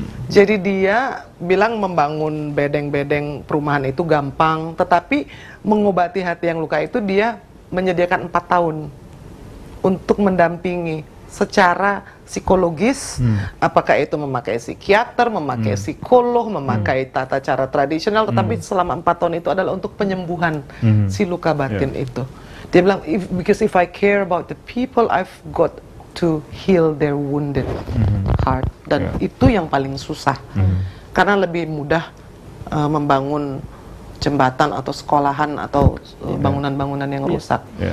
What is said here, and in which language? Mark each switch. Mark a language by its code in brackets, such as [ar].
[id] Jadi dia bilang membangun bedeng-bedeng perumahan itu gampang, tetapi mengobati hati yang luka itu dia menyediakan 4 tahun untuk mendampingi secara psikologis, apakah itu memakai psikiater, memakai psikolog, memakai tata cara tradisional, tetapi selama 4 tahun itu adalah untuk penyembuhan si luka batin itu. Dia bilang, [en] because if I care about the people, I've got to heal their wounded heart. [id] Dan itu yang paling susah. Karena lebih mudah membangun jembatan atau sekolahan atau bangunan-bangunan yang rusak.